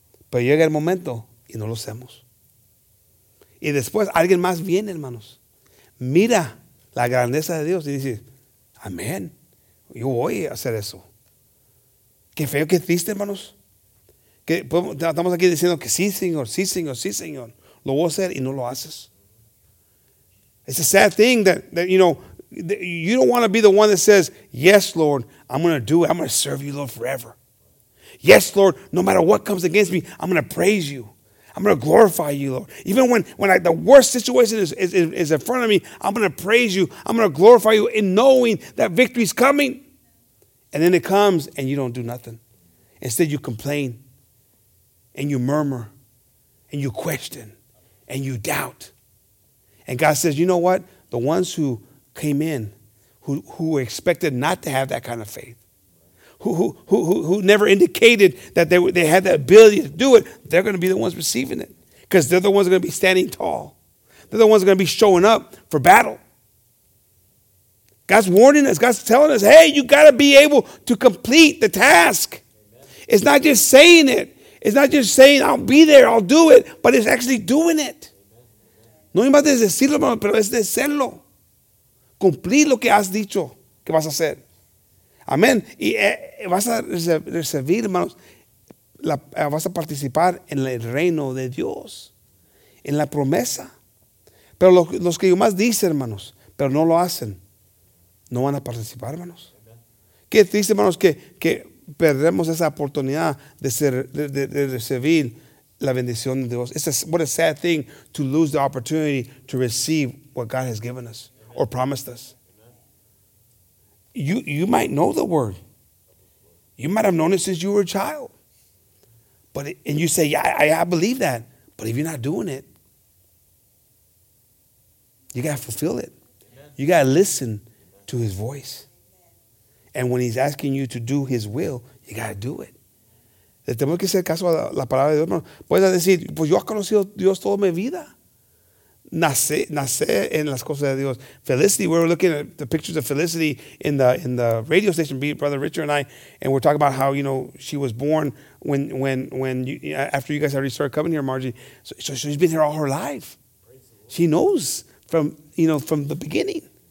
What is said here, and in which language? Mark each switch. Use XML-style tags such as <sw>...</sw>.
<es>Pero llega el momento y no lo hacemos. Y después alguien más viene, hermanos. Mira la grandeza de Dios y dice, amén. Yo voy a hacer eso. Qué feo, qué triste, hermanos. Que estamos aquí diciendo que sí, Señor, sí, Señor, sí, Señor. Lo voy a hacer y no lo haces.</es> <en>It's a sad thing that you know, you don't want to be the one that says, yes, Lord, I'm going to do it. I'm going to serve you, Lord, forever. Yes, Lord, no matter what comes against me, I'm going to praise you. I'm going to glorify you, Lord. Even when the worst situation is in front of me, I'm going to praise you. I'm going to glorify you in knowing that victory is coming. And then it comes and you don't do nothing. Instead, you complain and you murmur and you question and you doubt. And God says, you know what? The ones who came in, who were expected not to have that kind of faith, who never indicated that they had the ability to do it, they're going to be the ones receiving it, because they're the ones going to be standing tall. They're the ones going to be showing up for battle. God's warning us. God's telling us, hey, you got to be able to complete the task. Amen. It's not just saying it. It's not just saying, I'll be there, I'll do it, but it's actually doing it.</en> <es>No más de decirlo, pero es de hacerlo. Cumplir lo que has dicho que vas a hacer. Amén. Y vas a recibir, hermanos, vas a participar en el reino de Dios, en la promesa. Pero los que más dicen, hermanos, pero no lo hacen, no van a participar, hermanos. Qué triste, hermanos, que perdemos esa oportunidad de ser de recibir la bendición de Dios.</es> <en>It's a, what a sad thing to lose the opportunity to receive what God has given us or promised us. You might know the word. You might have known it since you were a child. But it, and you say, yeah, I believe that. But if you're not doing it, you got to fulfill it. Amen. You got to listen to his voice. And when he's asking you to do his will, you got to do it.</en> <es>Le tengo que hacer caso a la palabra de Dios. Puedes decir, pues yo he conocido Dios toda mi vida. Nace en las cosas de Dios.</es> <en>Felicity, we were looking at the pictures of Felicity in the radio station, Brother Richard and I, and we're talking about how, you know, she was born when you, after you guys already started coming here, Margie. So she's been here all her life. She knows from the beginning.</en>